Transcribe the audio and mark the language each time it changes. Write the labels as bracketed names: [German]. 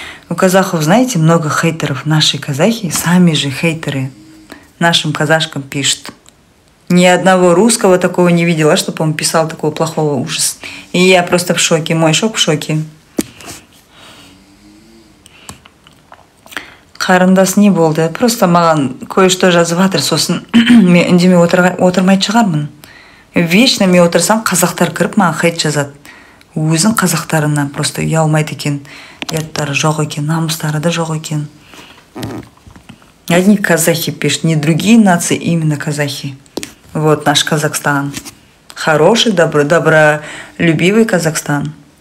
[Russian] У казахов, знаете, много хейтеров. Наши казахи, сами же хейтеры нашим казашкам пишут. Ни одного русского такого не видела, чтобы он писал такого плохого ужаса. И я просто в шоке, мой шок в шоке. [Kazakh] Қарындас не болды. [Russian] Просто [Kazakh] маған [Russian] кое-что [Kazakh] жазыватыр, сосын мен үндеме отырмай шығармын. [Russian] Вечно [Kazakh] мен отырсам, қазақтар кіріп маған хейт жазады. Өзің қазақтарынан [Russian] просто [Kazakh] ұялмайды екен. Яттары жоқ екен, намыстары да жоқ екен. [Russian] Одни казахи пишут, не другие нации, именно казахи. Вот наш Казахстан. Хороший, добролюбивый Казахстан.